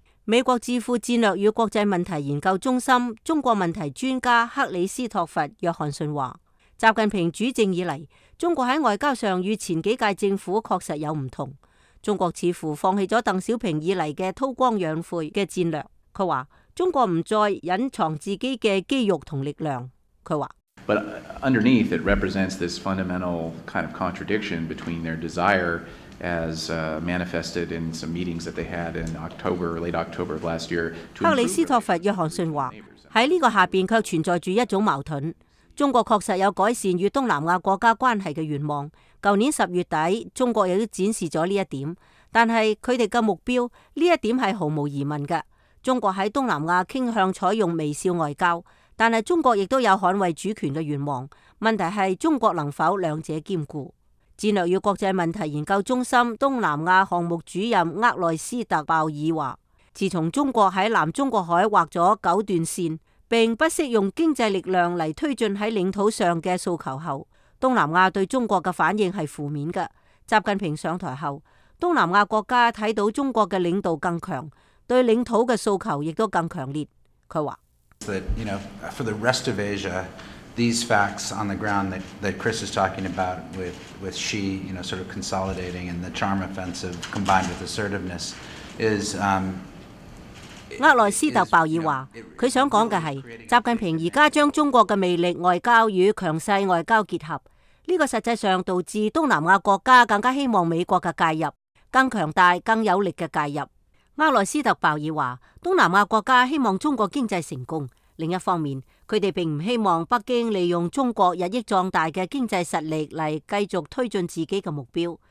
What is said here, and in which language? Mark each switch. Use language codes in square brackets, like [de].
[zh] 美国智库战略与国际问题研究中心中国问题专家克里斯托弗·约翰逊说，习近平主政以来，中国在外交上与前几届政府确实有不同。中国似乎放弃了邓小平以来的韬光养晦的战略。他说，中国不再隐藏自己的肌肉和力量。他说， [en] But underneath it represents this fundamental kind of contradiction between their desire as manifested in some meetings that they had in October, late October of last year. [zh] 克里斯托弗·约翰逊说，在这个下面却存在着一种矛盾。中国确实有改善与东南亚国家关系的愿望。去年十月底，中国也展示了这一点。但是他们的目标，这一点是毫无疑问的。中国在东南亚倾向采用微笑外交，但是中国也有捍卫主权的愿望。问题是中国能否两者兼顾。战略与国际问题研究中心东南亚项目主任厄内斯特·鲍尔说，自从中国在南中国海划了9段线，并不惜用经济力量来推进在领土上的诉求后，东南亚对中国的反应是负面的。习近平上台后，东南亚国家看到中国的领导更强，对领土的诉求也更强烈。他说， [en] For the rest of Asia,these facts on the ground that Chris is talking about with Xi, you know, sort of consolidating and the charm offensive combined with assertiveness is [zh] 厄内斯特·鲍尔说，他想说的是，习近平现在将中国的魅力外交与强势外交结合，这个实际上导致东南亚国家更加希望美国的介入，更强大更有力的介入。厄内斯特·鲍尔说，东南亚国家希望中国经济成功，另一方面，他们并不希望北京利用中国日益壮大的经济实力来继续推进自己的目标。